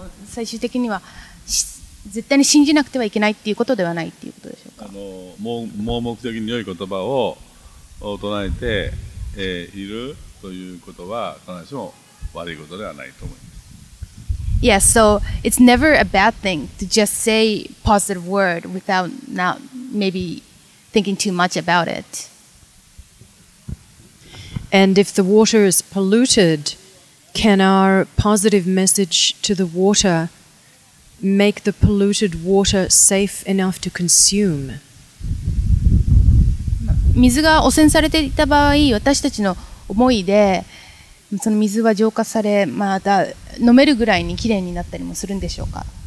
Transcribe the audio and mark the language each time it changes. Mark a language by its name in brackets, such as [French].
[Japanese] 最終的には絶対に信じなくてはいけないっていうことではないっていうことでしょうか。盲目的に良い言葉を唱えて、いるということは必ずしも悪いことではないと思います。 [English] Yes, so it's never a bad thing to just say positive word without not maybe thinking too much about it. And if the water is polluted, can our positive message to the water make the polluted water safe enough to consume? [Japanese] 水が汚染されていた場合、私たちの思いでその水は浄化され、また飲めるぐらいにきれいになったりもするんでしょうか。